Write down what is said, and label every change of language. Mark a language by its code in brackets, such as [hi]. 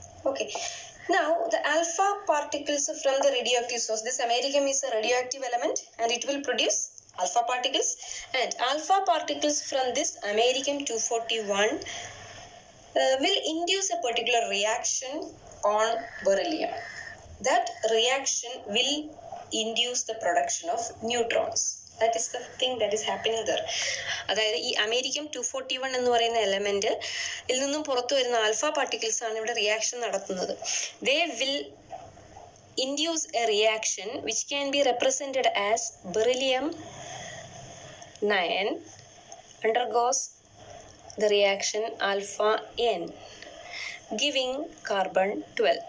[en] Okay, now the alpha particles from the radioactive source, this americium is a radioactive element and it will produce alpha particles. And alpha particles from this americium 241 will induce a particular reaction on beryllium. That reaction will induce the production of neutrons. That is the thing that is happening there. [ml] അതായത് ഈ അമേരിക്കം 241 എന്ന് പറയുന്ന element ഇൽ നിന്നും പുറത്തു വരുന്ന alpha particles ആണ് ഇവിടെ റിയാക്ഷൻ നടത്തുന്നത്. [en] They will induce a reaction which can be represented as beryllium 9 undergoes the reaction alpha n giving carbon 12.